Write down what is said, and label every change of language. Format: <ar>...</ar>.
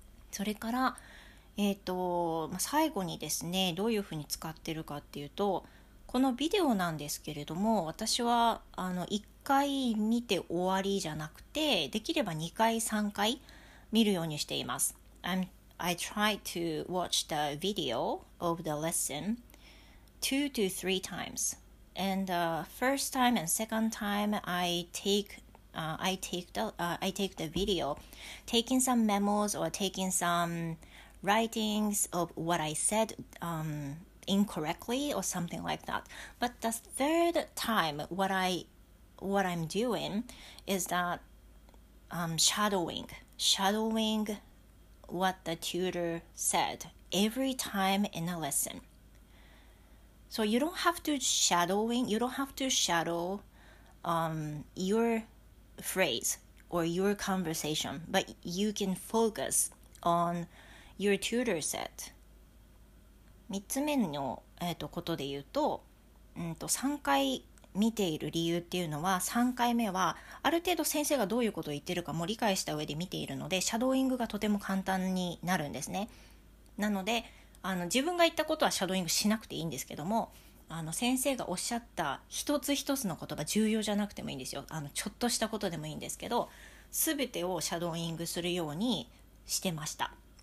<ja>それから最後にですね、どういうふうに使ってるかっていうと、このビデオなんですけれども、私は1回見て終わりじゃなくて、できれば2回3回見るようにしています。</ja> <en>I try to watch the video of the lesson 2 to 3 times, and the first time and second time I take the video, taking some memos or taking some writings of what I said incorrectly or something like that. But the third time, what I'm doing is that shadowing what the tutor said every time in a lesson. So you don't have to shadow your phrase or your conversation, but you can focus on your tutor said.</en> <ja>3つ目の、ことで言うと、3回見ている理由っていうのは、3回目はある程度先生がどういうことを言ってるかも理解した上で見ているので、シャドーイングがとても簡単になるんですね。なので自分が言ったことはシャドーイングしなくていいんですけども、先生がおっしゃった一つ一つの言葉、重要じゃなくてもいいんですよ、ちょっとしたことでもいいんですけど、全てをシャドーイングするようにしてました。</ja>